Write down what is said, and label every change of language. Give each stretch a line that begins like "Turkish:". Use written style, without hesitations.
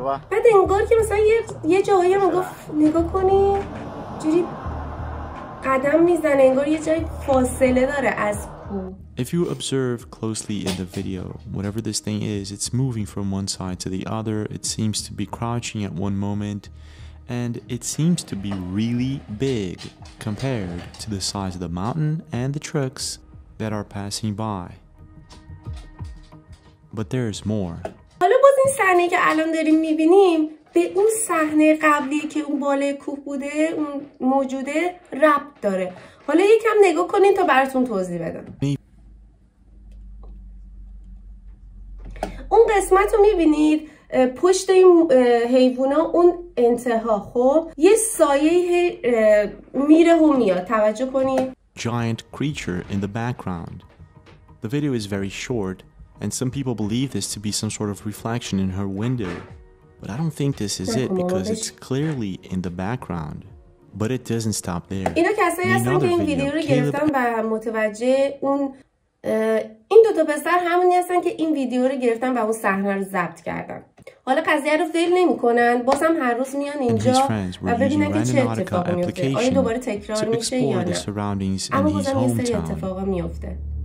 Persian: بعد انگار که مثلا یه جاهایی هم گفت نگاه کنی جوری قدم میزنه، انگار یه جای فاصله داره از کوه.
English: If you observe closely in the video, whatever this thing is, it's moving from one side to the other. It seems to be crouching at one moment, and it seems to be really big compared to the size of the mountain and the trucks that are passing by. But there's more.
Persian: حالا باز این صحنه که الان داریم میبینیم به اون صحنه قبلی که اون بالای کوه بوده، اون موجوده ربط داره. حالا یکم نگاه کنین تا براتون توضیح بدم. اون قسمت رو میبینید پشت این حیوان ها، اون انتها، خب یه سایه میره و میاد، توجه کنید.
English: giant creature in the background. The video is very short, and some people believe this to be some sort of reflection in her window. But I don't think this is it, because it's clearly in the background. But it doesn't stop there.
Persian: اینا کسایی هستن که این ویدیو رو گرفتن و متوجه اون این دو تا پسر همونی هستن که این ویدیو رو گرفتن و اون صحنه رو ضبط کردن. حالا قضیه رو ول نمی‌کنن. بازم هر روز میان اینجا و ببینن که چه اتفاقی میفته. آیا دوباره تکرار میشه یا نه. اما بازم یه سری اتفاقا میفته.